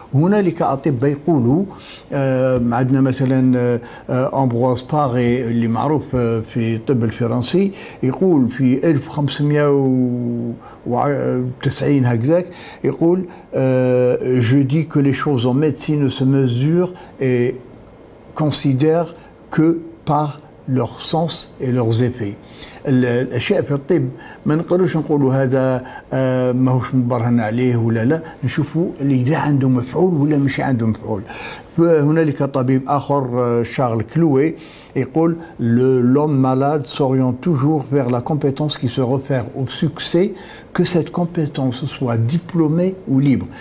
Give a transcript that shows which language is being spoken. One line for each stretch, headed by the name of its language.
Arabic: هنالك أطباء يقولوا عندنا مثلا أمبرواز باغي اللي معروف في الطب الفرنسي، يقول في 1590 هكذاك يقول
French: je dis que les choses en médecine se mesurent et considèrent que par leur sens et leurs effets.
Arabic: الأشياء في الطب ما نقدروش نقولوا هذا ماهوش مبرهن عليه ولا لا، نشوفوا إذا عنده مفعول ولا مش عنده مفعول. فهنالك طبيب آخر شارل كلوي يقول
French: l'homme malade s'oriente toujours vers la compétence qui se réfère au succès que cette compétence soit diplômée ou libre.